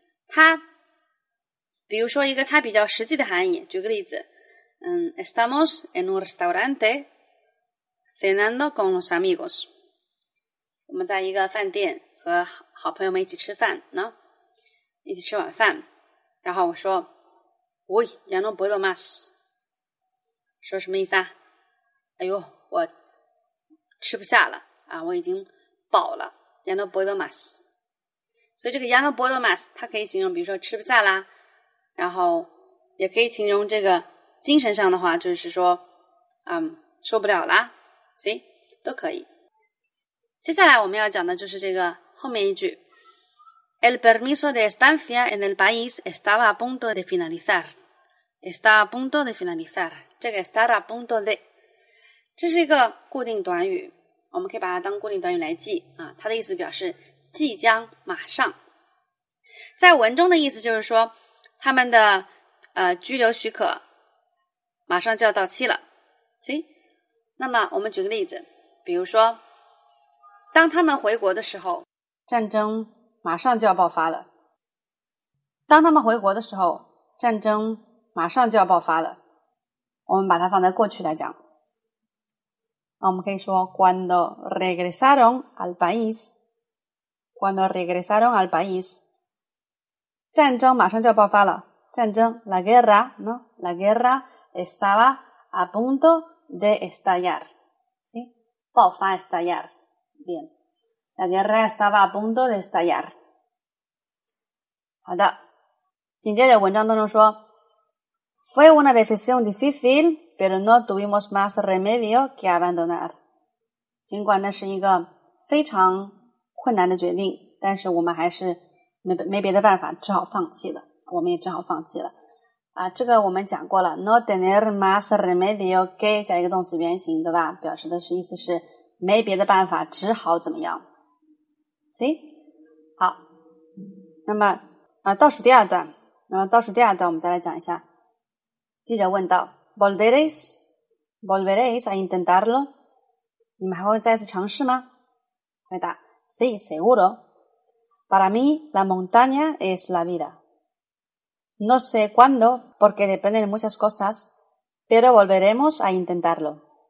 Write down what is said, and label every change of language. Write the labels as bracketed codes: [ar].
[zh] 它比如说一个它比较实际的含义，举个例子， [es] estamos en un restaurante cenando con los amigos, [zh] 我们在一个饭店和好朋友们一起吃饭呢，一起吃晚饭，然后我说 [es] uy, ya no puedo más, [zh] 说什么意思啊？哎呦，我吃不下了啊！我已经饱了。 [es] Ya no puedo más。 [zh] 所以这个 [es] Ya no puedo más [zh] 它可以形容，比如说吃不下啦，然后也可以形容这个精神上的话，就是说，受不了啦，行，都可以。接下来我们要讲的就是这个后面一句 [es] ：El permiso de estancia en el país estaba a punto de finalizar。 Está a punto de finalizar。 [zh] 这个 estar a punto de 这是一个固定短语，我们可以把它当固定短语来记啊。它的意思表示即将、马上。在文中的意思就是说，他们的居留许可马上就要到期了。行，那么我们举个例子，比如说，当他们回国的时候，战争马上就要爆发了。当他们回国的时候，战争马上就要爆发了。我们把它放在过去来讲，那我们可以说 [es] cuando regresaron al país, [zh] cuando regresaron al país, 战争马上就要爆发了，战争 [es] la guerra, ¿no? la guerra estaba a punto de estallar, ¿sí? 爆发 estallar, bien, la guerra estaba a punto de estallar, [zh] 好的，紧接着文章当中说 [es] Fue una decisión difícil, pero no tuvimos más remedio que abandonar. [zh] 尽管那是一个非常困难的决定，但是我们还是 没别的办法，只好放弃了。我们也只好放弃了。这个我们讲过了 , [es] no tener más remedio que [zh] 加一个动词原形，对吧？表示的是意思是没别的办法，只好怎么样。行，好。那么倒数第二段，那么倒数第二段我们再来讲一下。记者问道 , [es] volveréis? Volveréis a intentarlo? [zh] 你们还会再次尝试吗？回答 [es] Sí, seguro. Para mí, la montaña es la vida. No sé cuándo, porque depende de muchas cosas, pero volveremos a intentarlo.